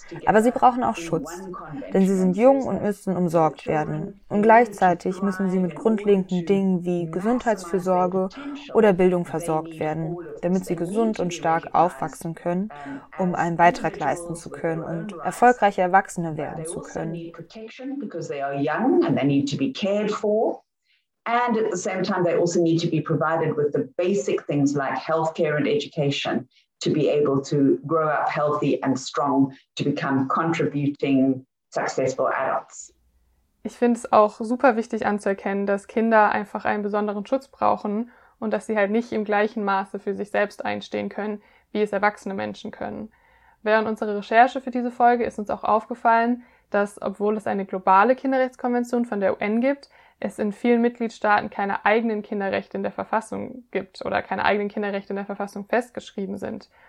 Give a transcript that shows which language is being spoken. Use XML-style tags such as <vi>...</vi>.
<de>Aber sie brauchen auch Schutz, denn sie sind jung und müssen umsorgt werden. Und gleichzeitig müssen sie mit grundlegenden Dingen wie Gesundheitsfürsorge oder Bildung versorgt werden, damit sie gesund und stark aufwachsen können, um einen Beitrag leisten zu können und erfolgreiche Erwachsene werden zu können.</de> <en>Because they are young and they need to be cared for. And at the same time, they also need to be provided with the basic things like healthcare and education to be able to grow up healthy and strong to become contributing successful adults.</en> <de>Ich finde es auch super wichtig anzuerkennen, dass Kinder einfach einen besonderen Schutz brauchen und dass sie halt nicht im gleichen Maße für sich selbst einstehen können, wie es erwachsene Menschen können. Während unserer Recherche für diese Folge ist uns auch aufgefallen, dass, obwohl es eine globale Kinderrechtskonvention von der UN gibt, es in vielen Mitgliedstaaten keine eigenen Kinderrechte in der Verfassung gibt oder keine eigenen Kinderrechte in der Verfassung festgeschrieben sind.</de>